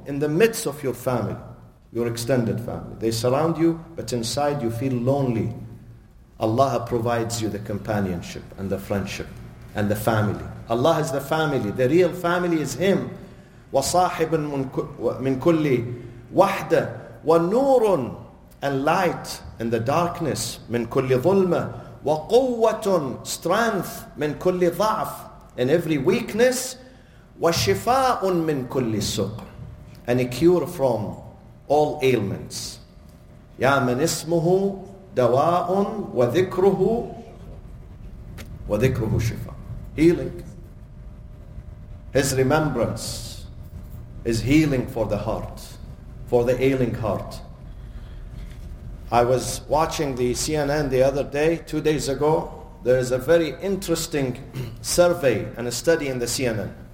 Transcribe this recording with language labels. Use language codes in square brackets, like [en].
[en] In the midst of your family, your extended family. They surround you, but inside you feel lonely. Allah provides you the companionship and the friendship and the family. Allah is the family. The real family is Him. [ar] وَصَاحِبٌ مِنْ كُلِّ وَحْدَةٌ وَنُورٌ [en] And light in the darkness. [ar] مِنْ كُلِّ ظُلْمَةٌ وَقُوَّةٌ Strength. مِنْ كُلِّ ضَعْفٌ [en] In every weakness. [ar] وَشِفَاءٌ مِنْ كُلِّ سُقْرٍ [en] And a cure from all ailments. [ar] يَا مَنْ إِسْمُهُ دَوَاءٌ وَذِكْرُهُ وَذِكْرُهُ شِفَاءٌ Healing. [en] His remembrance is healing for the heart, for the ailing heart. I was watching the CNN the other day, 2 days ago. There is a very interesting survey and a study in the CNN.